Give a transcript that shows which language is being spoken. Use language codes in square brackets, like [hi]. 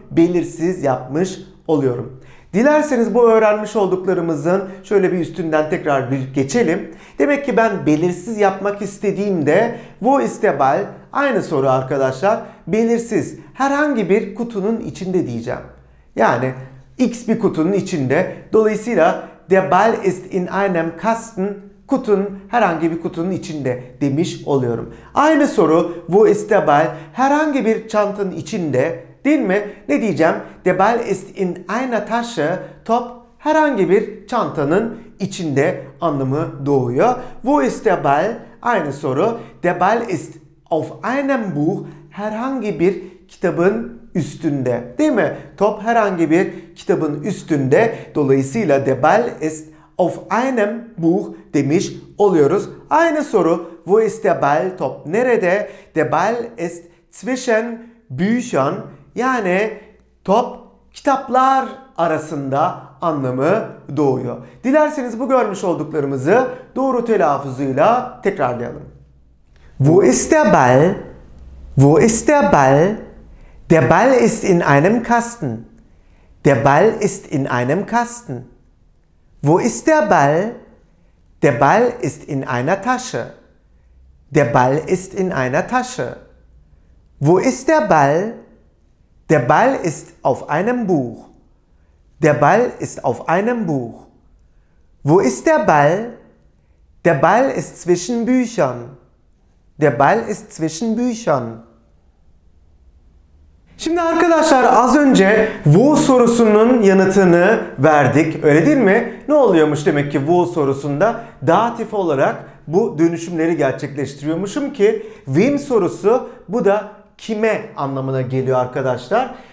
[tr] Belirsiz yapmış oluyorum. Dilerseniz bu öğrenmiş olduklarımızın şöyle bir üstünden tekrar bir geçelim. Demek ki ben belirsiz yapmak istediğimde [de] wo ist der Ball? [tr] Aynı soru arkadaşlar. Belirsiz. Herhangi bir kutunun içinde diyeceğim. Yani X bir kutunun içinde. Dolayısıyla [de] der Ball ist in einem Kasten. [tr] Kutun, herhangi bir kutunun içinde demiş oluyorum. Aynı soru, [de] wo ist der Ball? [tr] Herhangi bir çantanın içinde, değil mi? Ne diyeceğim? [de] Der Ball ist in einer Tasche. [tr] Top, herhangi bir çantanın içinde anlamı doğuyor. [de] Wo ist der Ball? [tr] Aynı soru. [de] Der Ball ist auf einem Buch. [tr] Herhangi bir kitabın üstünde, değil mi? Top, herhangi bir kitabın üstünde. Dolayısıyla [de] der Ball ist auf einem Buch [tr] demiş oluyoruz. Aynı soru, [de] wo ist der Ball? [tr] Top nerede? [de] Der Ball ist zwischen Büchern. [tr] Yani top kitaplar arasında anlamı doğuyor. Dilerseniz bu görmüş olduklarımızı doğru telaffuzuyla tekrarlayalım. [de] Wo ist der Ball? Wo ist der Ball? Der Ball ist in einem Kasten. Der Ball ist in einem Kasten. Wo ist der Ball? Der Ball ist in einer Tasche. Der Ball ist in einer Tasche. Wo ist der Ball? Der Ball ist auf einem Buch. Der Ball ist auf einem Buch. Wo ist der Ball? Der Ball ist zwischen Büchern. Der Ball ist zwischen Büchern. [tr] Şimdi arkadaşlar az önce wo sorusunun yanıtını verdik. Öyle değil mi? Ne oluyormuş demek ki wo sorusunda? Datif olarak bu dönüşümleri gerçekleştiriyormuşum ki wem sorusu, bu da kime anlamına geliyor arkadaşlar.